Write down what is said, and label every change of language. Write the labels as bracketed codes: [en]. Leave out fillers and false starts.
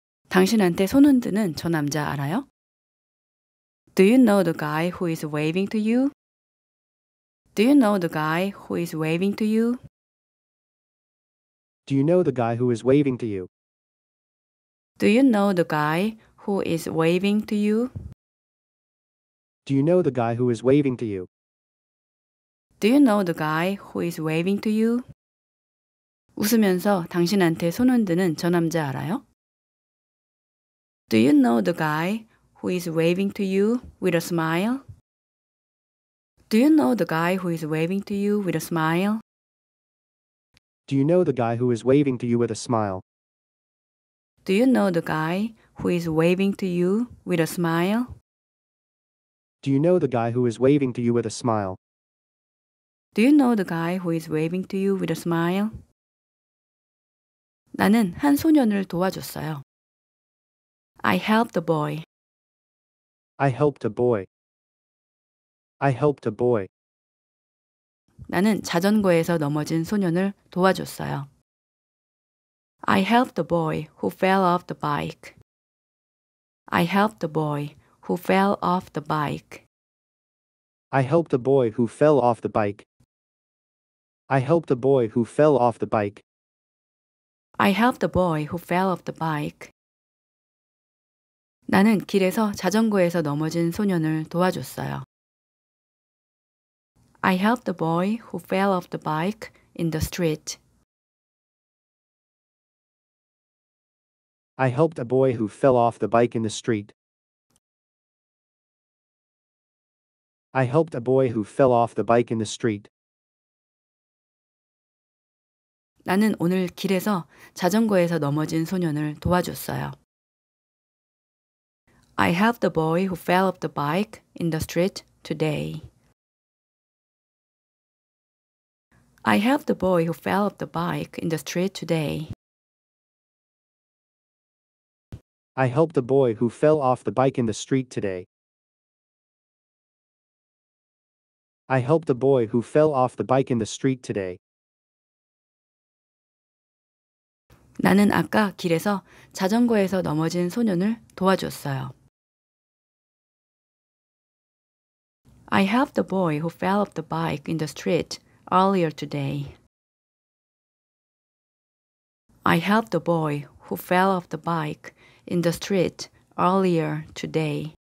[ko] 당신한테 손 흔드는 저 남자 알아요? [en] Do you know the guy who is waving to you? Do you know the guy who is waving to you? Do you know the guy who is waving to you? Do you know the guy who is waving to you? Do you know the guy who is waving to you? Do you know the guy who is waving to you? [ko] 웃으면서 당신한테 손 흔드는 저 남자 알아요? [en] Do you know the guy who is waving to you with a smile? Do you know the guy who is waving to you with a smile? Do you know the guy who is waving to you with a smile? Do you know the guy who is waving to you with a smile? Do you know the guy who is waving to you with a smile? Do you know the guy who is waving to you with a smile? [ko] 나는 한 소년을 도와줬어요. [en] I helped a boy. I helped a boy. I helped a boy. [ko] 나는 자전거에서 넘어진 소년을 도와줬어요. [en] I helped a boy who fell off the bike. I helped a boy who fell off the bike. I helped a boy who fell off the bike. I helped a boy who fell off the bike. I helped a boy who fell off the bike. [ko] 나는 길에서 자전거에서 넘어진 소년을 도와줬어요. [en] I helped the boy who fell off the bike in the street. I helped a boy who fell off the bike in the street. I helped a boy who fell off the bike in the street. [ko] 나는 오늘 길에서 자전거에서 넘어진 소년을 도와줬어요. [en] I helped the boy who fell off the bike in the street today. I helped the boy who fell off the bike in the street today. I helped the boy who fell off the bike in the street today. I helped the boy who fell off the bike in the street today. [ko] 나는 아까 길에서 자전거에서 넘어진 소년을 도와줬어요. [en] I helped the boy who fell off the bike in the street earlier today. I helped the boy who fell off the bike in the street earlier today.